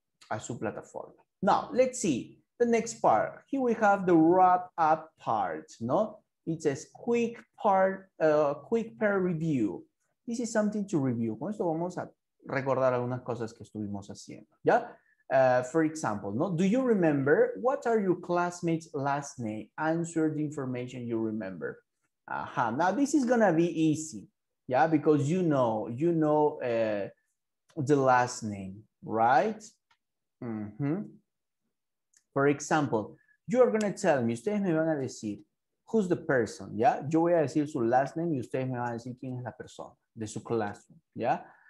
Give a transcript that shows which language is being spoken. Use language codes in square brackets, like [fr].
[es] A su plataforma. [en] Now, let's see, the next part. Here we have the wrap-up part, ¿no? It says quick part, quick pair review. This is something to review. [es] Con esto vamos a recordar algunas cosas que estuvimos haciendo, ¿ya? [en] For example, no, do you remember what are your classmates' last name? Answer the information you remember. Uh-huh. Now, this is going to be easy, yeah, because you know the last name, right? Mm-hmm. For example, you are going to tell me, [es] ustedes me van a decir, [en] who's the person, yeah? [es] Yo voy a decir su last name y ustedes me van a decir quién es la persona de su classroom, yeah?